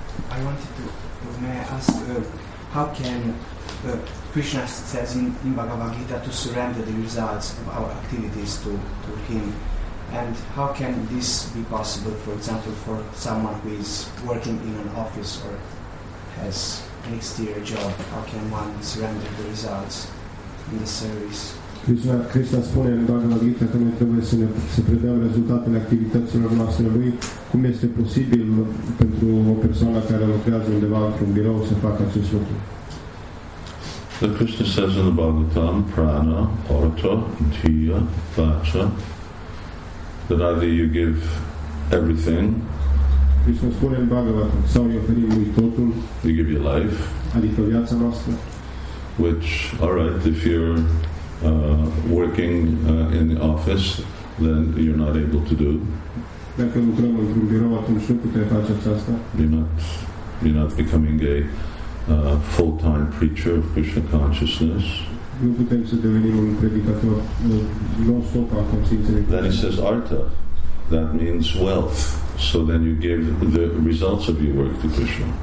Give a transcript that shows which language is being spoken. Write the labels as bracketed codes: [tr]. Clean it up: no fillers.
[en] I wanted to, may I ask, how can Krishna says in Bhagavad Gita to surrender the results of our activities to him? And how can this be possible, for example, for someone who is working in an office or has an exterior job? How can one surrender the results in the service? [ro] Krishna spune în Bhagavad Gita că noi trebuie să ne să predăm rezultatele activităților noastre lui. Cum este posibil pentru o persoană care lucrează undeva într-un birou să facă acest lucru? [en] The Krishna says in the Bhagavad Gita, [sa] prana, orto, dhiya, vacha, [en] that either you give everything, [ro] Krishna spune în Bhagavad Gita, sau îi oferim lui totul, [en] you give your life, [ro] adică viața noastră, [en] which, alright, if you're working in the office, then you're not able to do. [ro] Dacă lucrăm într-un birou, atunci nu putem face aceasta. [en] You're not becoming a full-time preacher of Krishna consciousness. [ro] Nu putem să devenim un predicator non-stop al conștiinței. [en] Then he says artha, that means wealth. So then you give the results of your work to Krishna.